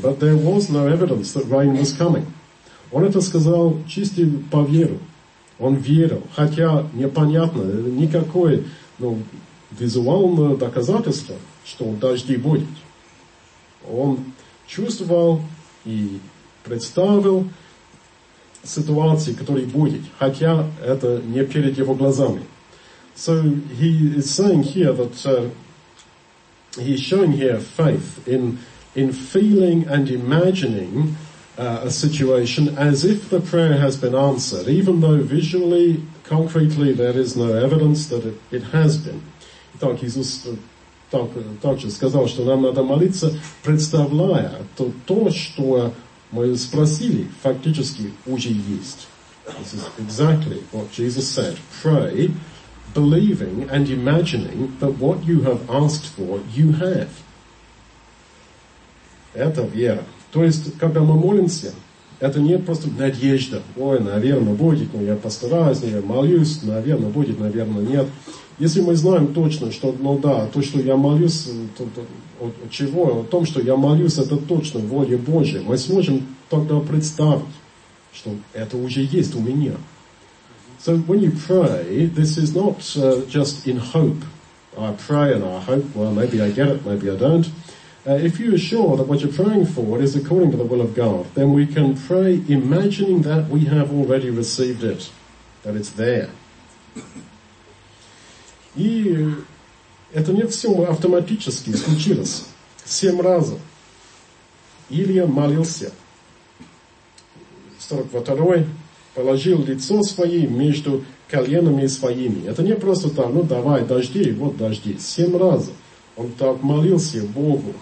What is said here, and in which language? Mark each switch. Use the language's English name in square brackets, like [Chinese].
[English] But there was no evidence that rain was coming. [Russian] Он это сказал чисто по веру. Он верил, хотя непонятно, никакое, ну, визуальное доказательство, что дожди будет. Он чувствовал и представил, ситуации, который будет, хотя это не перед его глазами. [English] So he is saying here that he's showing here faith in feeling and imagining a situation as if the prayer has been answered, even though visually, concretely, there is no evidence that it has been. [Russian] Итак, Иисус также сказал, что нам надо молиться, представляя то, что мы спросили, фактически уже есть. [English] This is exactly what Jesus said. Pray, believing and imagining that what you have asked for, you have. [Russian] Это вера. То есть, когда мы молимся, это не просто надежда. Ой, наверное, будет, но я постараюсь, но я молюсь, наверное, будет, наверное, нет. Если мы знаем точно, что, ну да, то, что я молюсь, о том, что я молюсь, это точно воля Божия, мы сможем тогда представить, что это уже есть у меня. [English] So when you pray, this is not just in hope. I pray and I hope, well, maybe I get it, maybe I don't. If you are sure that what you're praying for is according to the will of God, then we can pray imagining that we have already received it, that it's there. [Russian] И это не все автоматически случилось. 7 раз Илия молился. 42-й положил лицо свое между коленами своими. Это не просто там, ну давай, дожди, вот дожди. 7 раз он так молился Богу.